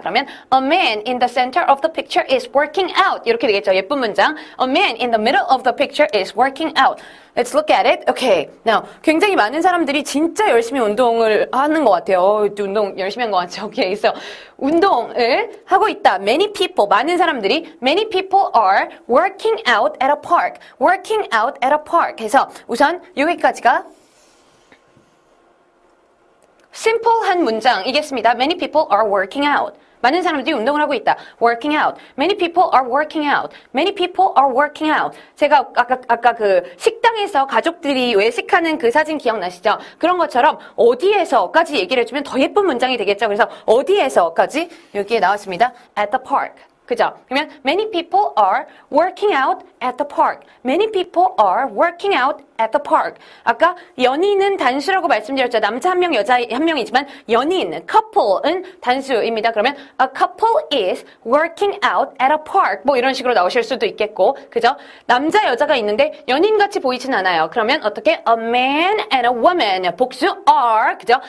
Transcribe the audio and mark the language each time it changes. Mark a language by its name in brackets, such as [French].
[English] 그러면 a man in the center of the picture is working out. [Korean] 이렇게 되겠죠. 예쁜 문장. [English] A man in the middle of the picture is working out. Let's look at it. Okay. [Korean] Now, 굉장히 많은 사람들이 진짜 열심히 운동을 하는 것 같아요. 운동 열심히 한 것 같죠. Okay. So, 운동을 하고 있다. [English] Many people, [Korean] 많은 사람들이 [English] many people are working out at a park. Working out at a park. [Korean] 그래서 우선 여기까지가 심플한 문장이겠습니다. [English] Many people are working out. [Korean] 많은 사람들이 운동을 하고 있다. [English] Working out. Many people are working out. Many people are working out. [Korean] 제가 아까 그 식당에서 가족들이 외식하는 그 사진 기억나시죠? 그런 것처럼 어디에서까지 얘기를 해주면 더 예쁜 문장이 되겠죠? 그래서 어디에서까지 여기에 나왔습니다. [English] At the park. 그죠? 그러면 many people are working out at the park. Many people are working out at the park. [Korean] 아까 연인은 단수라고 말씀드렸죠. 남자 한 명, 여자 한 명이지만 연인, couple은 단수입니다. [English] 그러면 a couple is working out at a park. [Korean] 뭐 이런 식으로 나오실 수도 있겠고, 그죠? 남자, 여자가 있는데 연인 같이 보이진 않아요. 그러면 어떻게? [English] A man and a woman. [Korean] 복수 are, 그죠?